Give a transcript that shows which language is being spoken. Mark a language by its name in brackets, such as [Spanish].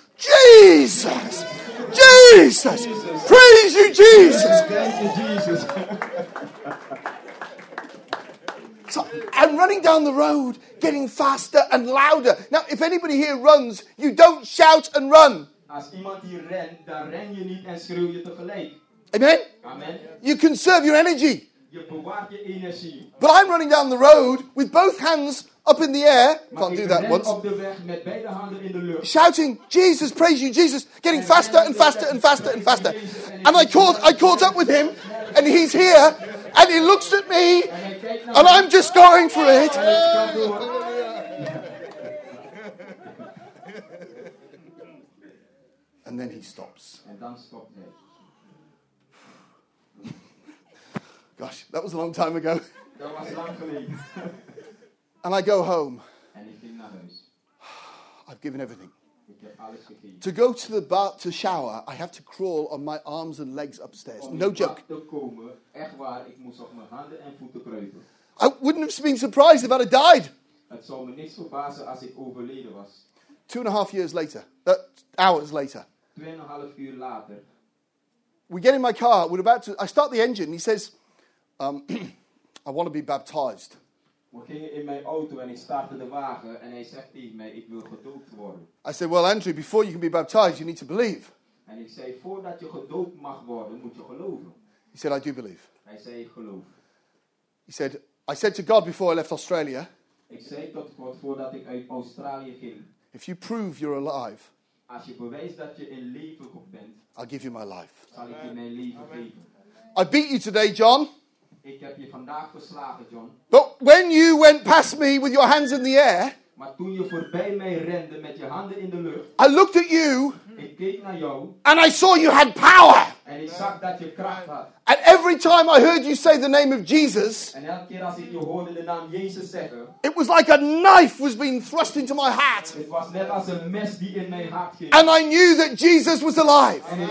[English] Jesus. Jesus. Praise you, Jesus. Thank you, Jesus. So I'm running down the road, getting faster and louder. Now, if anybody here runs, you don't shout and run. [Dutch] Als iemand hier rent, dan ren je niet en schreeuw je tegelijk. [English] Amen? Amen. You conserve your energy. [Dutch] Je bewaart je energie. [English] But I'm running down the road with both hands up in the air. [Dutch] Maar [English] can't do that once. [Dutch] Op de weg met beide handen in de lucht. [English] Shouting, "Jesus, praise you, Jesus." Getting faster and faster and faster and faster. And I caught up with him and he's here and he looks at me and I'm just going for it. And then he stops. [Dutch] En dan stopt hij. [English] Gosh, that was a long time ago. [Dutch] Dat was lang geleden. [English] And I go home. [Dutch] En ik ging naar huis. [English] I've given everything. [Dutch] Ik heb alles gegeven. [English] To go to the bath to shower, I have to crawl on my arms and legs upstairs. [Dutch] Om [English] no joke. [Dutch] Om te komen, echt waar, ik moest op mijn handen en voeten kruipen. [English] I wouldn't have been surprised if I'd have died. [Dutch] Het zou me niks verbazen als ik overleden was. [English] 2.5 years later, hours later. [Dutch] 2.5 uur later. [English] We get in my car. We're about to. I start the engine. He says, "I want to be baptized." [Dutch] We gingen in mijn auto en ik startte de wagen en hij zegt tegen mij, "Ik wil gedoopt worden." [English] I said, "Well, Andrew, before you can be baptized, you need to believe." [Dutch] En ik zei, "Voordat je gedoopt mag worden, moet je geloven." [English] He said, "I do believe." [Dutch] Hij zei, "Ik geloof." [English] He said, "I said to God before I left Australia." [Dutch] Ik zei tot God voordat ik uit Australië ging. [English] If you prove you're alive, [Dutch] als je bewijst dat je in leven bent, [English] I'll give you my life. [Dutch] Zal ik je mijn leven geven. [English] I beat you today, John. [Dutch] Ik heb je vandaag verslagen, John. [English] But when you went past me with your hands in the air, [Dutch] maar toen je voorbij mij rende met je handen in de lucht, [English] I looked at you, [Dutch] ik keek naar jou, [English] and I saw you had power. And every time I heard you say the name of Jesus, it was like a knife was being thrust into my heart. And I knew that Jesus was alive.